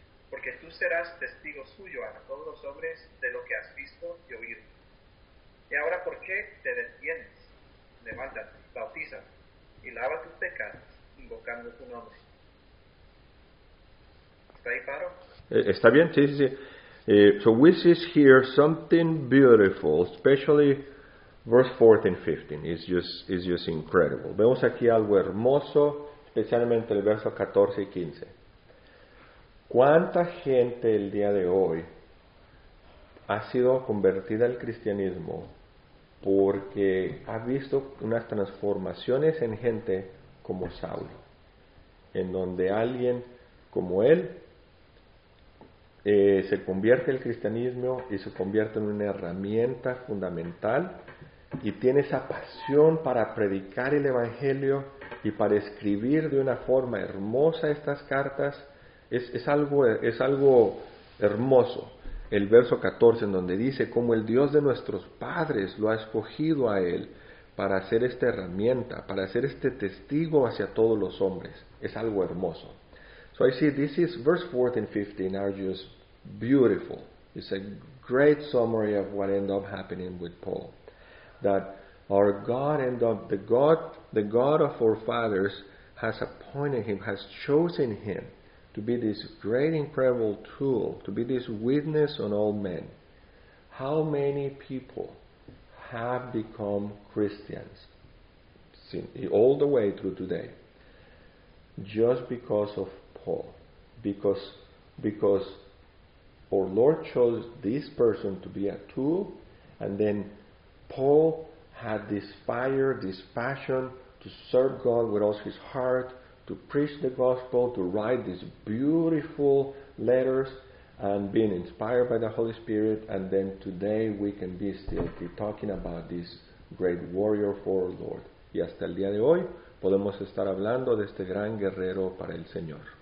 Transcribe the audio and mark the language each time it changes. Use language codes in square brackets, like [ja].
[es] Porque tú serás testigo suyo a todos los hombres de lo que has visto y oído. Y ahora, ¿por qué te detienes? Levántate, bautízate y lava tus pecados invocando tu nombre. ¿Está ahí, Pablo? Está bien, sí, sí. [en] So we see here something beautiful, especially verse 14 and 15. It's just incredible. [es] Vemos aquí algo hermoso, especialmente el verso 14 y 15. ¿Cuánta gente el día de hoy ha sido convertida al cristianismo porque ha visto unas transformaciones en gente como Saulo, en donde alguien como él se convierte el cristianismo y se convierte en una herramienta fundamental y tiene esa pasión para predicar el evangelio y para escribir de una forma hermosa estas cartas? Es algo hermoso el verso 14, en donde dice cómo el Dios de nuestros padres lo ha escogido a él para hacer esta herramienta, para hacer este testigo hacia todos los hombres. Es algo hermoso. [en] So I see this is verse 14 and 15 are just beautiful. It's a great summary of what ended up happening with Paul. That our God ended up, the God of our fathers has appointed him, has chosen him to be this great, incredible tool, to be this witness on all men. How many people have become Christians all the way through today just because of Paul? Because our Lord chose this person to be a tool, and then Paul had this fire, this passion to serve God with all his heart, to preach the gospel, to write these beautiful letters, and being inspired by the Holy Spirit, and then today we can be still be talking about this great warrior for our Lord. [es] Y hasta el día de hoy podemos estar hablando de este gran guerrero para el Señor.